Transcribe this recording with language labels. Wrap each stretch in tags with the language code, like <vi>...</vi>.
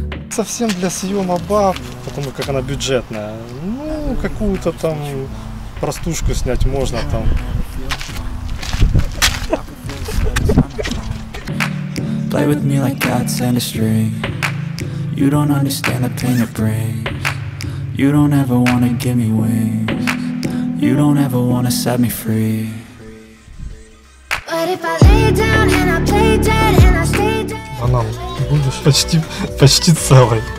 <ru>Совсем для съема баб. Потому как она бюджетная. Ну, какую-то там простушку снять можно там.</ru> <en>Play with me like cats and a string. You don't understand the pain it brings. You don't ever wanna give me wings. You don't ever wanna set me free. What if I lay down and I play dead and I stay dead?</en> <ru>Банан, ты будешь почти целый.</ru>